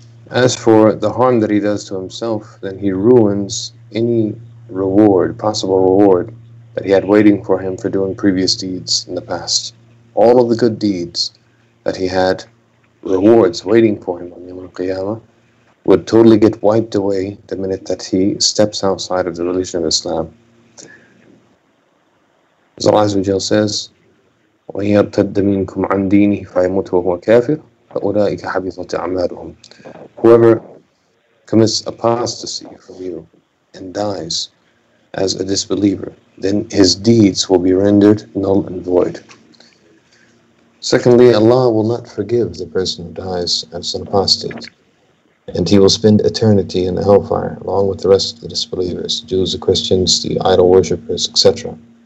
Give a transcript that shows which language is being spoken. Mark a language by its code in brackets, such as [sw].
[en] As for the harm that he does to himself, then he ruins any reward, possible reward, that he had waiting for him for doing previous deeds in the past. All of the good deeds that he had rewards waiting for him on Yawm al-Qiyamah would totally get wiped away the minute that he steps outside of the religion of Islam. [ar] As Allah Azza wa Jalla says, وَيَرْتَدَّ مِنْكُمْ عَنْ دِينِهِ فَيَمُوتُ وَهُوَ كَافِرٌ فَأُولَٰئِكَ حَبِطَتْ أَعْمَالُهُمْ. [en] Whoever commits apostasy from you and dies as a disbeliever, then his deeds will be rendered null and void. Secondly, Allah will not forgive the person who dies as an apostate, and he will spend eternity in the hellfire along with the rest of the disbelievers, Jews, the Christians, the idol worshippers, etc.